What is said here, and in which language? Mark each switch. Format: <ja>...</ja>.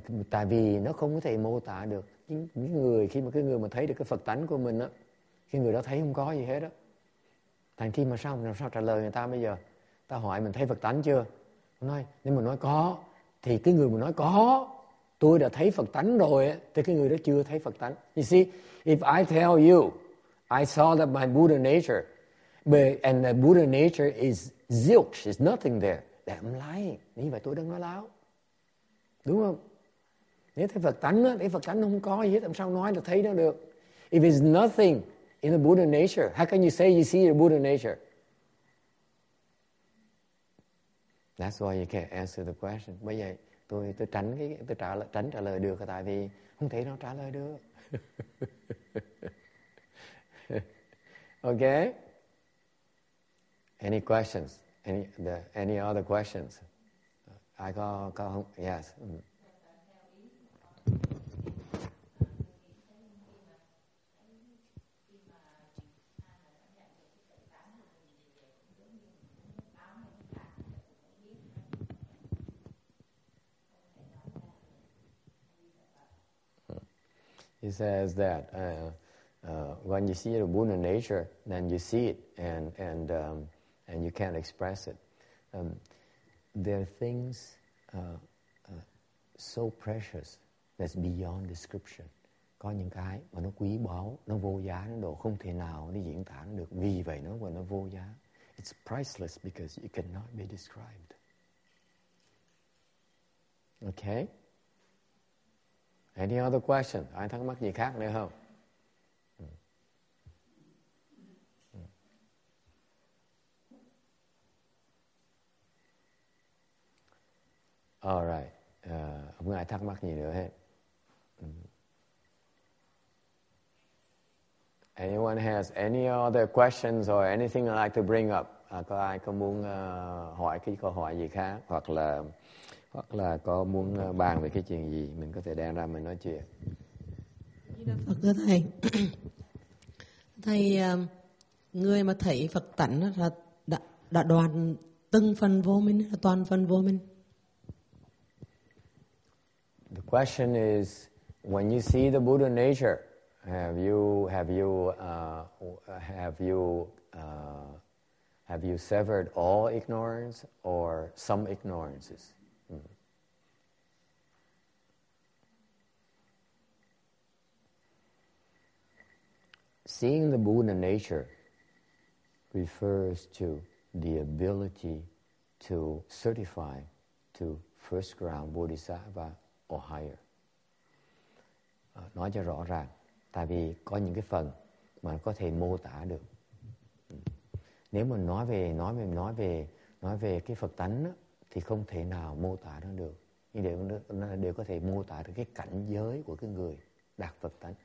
<vi>Tại vì nó không có thể mô tả được. Những người khi mà cái người mà thấy được cái Phật tánh của mình á, khi người đó thấy không có gì hết á, thành khi mà sao trả lời người ta bây giờ, ta hỏi mình thấy Phật tánh chưa, mình nói nếu mà nói có thì cái người mà nói có, tôi đã thấy Phật tánh rồi á, thì cái người đó chưa thấy Phật tánh.</vi> <en>You see, if I tell you I saw that my Buddha nature, but, and the Buddha nature is zilch, is nothing there, that I'm lying.</en> <vi>Như vậy tôi đang nói láo. Đúng không? Nếu thấy Phật tánh á, thấy Phật tánh không có gì hết, làm sao nói được thấy nó được?</vi> <en>If it's nothing in the Buddha nature, how can you say you see the Buddha nature? That's why you can't answer the question.</en> <vi>Bởi vậy, tôi trả lời được, tại vì không thể nó trả lời được.</vi> <en>Okay? Any questions? Any other questions? I go home. Yes. He says that when you see the Buddha nature, then you see it and you can't express it. There are things so precious that's beyond description.</en> <vi>Có những cái mà nó quý báu, nó vô giá, nó đồ không thể nào nó diễn tả nó được. Vì vậy nó vô giá.</vi> <en>It's priceless because it cannot be described. Okay? Any other question?</en> <vi>Ai thắc mắc gì khác nữa không?</vi> <en>All right.</en> <vi>Không ai thắc mắc gì nữa hết.</vi> <en>Anyone has any other questions or anything I'd like to bring up?</en> <vi>Có ai có muốn hỏi cái câu hỏi gì khác? Hoặc là có muốn bàn về cái chuyện gì, mình có thể đem ra mình nói chuyện. Di Đà Phật thưa Thầy. Thầy, người mà thấy Phật tánh là đã đoàn từng phần vô minh, là toàn phần vô minh.</vi> <en>The question is, when you see the Buddha nature, have you severed all ignorance or some ignorances? seeing the Buddha nature refers to the ability to certify to first ground Bodhisattva or higher.</en> <vi>Nói cho rõ ràng, tại vì có những cái phần mà có thể mô tả được. Nếu mà nói về cái Phật tánh đó, thì không thể nào mô tả nó được. Nhưng đều có thể mô tả được cái cảnh giới của cái người đạt Phật tánh.</vi>